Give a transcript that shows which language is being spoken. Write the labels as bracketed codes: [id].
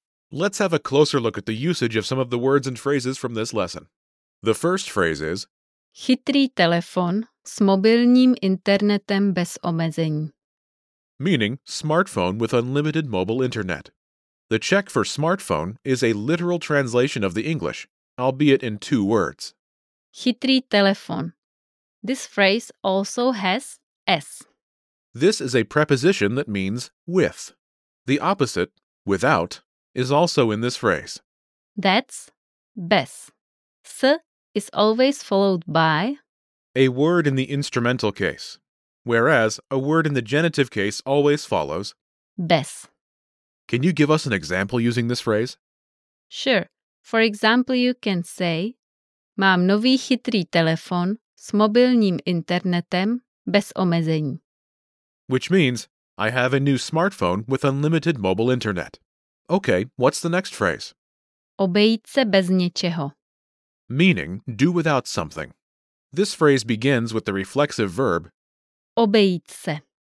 [en] Let's have a closer look at the usage of some of the words and phrases from this lesson. The first phrase is [cs] chytrý telefon s mobilním internetem bez omezení. [en] Meaning, smartphone with unlimited mobile internet. The Czech for smartphone is a literal translation of the English, albeit in two words. [cs] Chytrý telefon. [en] This phrase also has S. This is a preposition that means with. The opposite, without, is also in this phrase. That's bez. S is always followed by a word in the instrumental case, whereas a word in the genitive case always follows [cs] bez. [en] Can you give us an example using this phrase? Sure. For example, you can say [cs] mám nový chytrý telefon s mobilním internetem bez omezení. [en] Which means, I have a new smartphone with unlimited mobile internet. Okay, what's the next phrase? [cs] Obejít se bez něčeho. [en] Meaning, do without something. This phrase begins with the reflexive verb [cs] obejít se